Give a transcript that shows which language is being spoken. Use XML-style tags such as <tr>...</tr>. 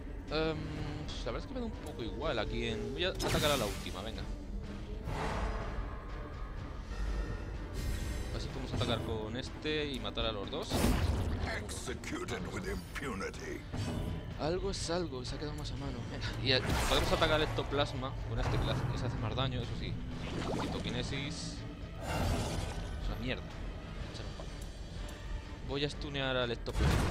<es>La verdad es que me da un poco igual aquí en... Voy a atacar a la última, venga. A ver si podemos atacar con este y matar a los dos.</es> <en>Executed with impunity.</en> <es>Algo es algo, se ha quedado más a mano. Y podemos atacar al ectoplasma con este que se hace más daño, eso sí. Citokinesis. Es una mierda. Voy a stunear al ectoplasma.</es>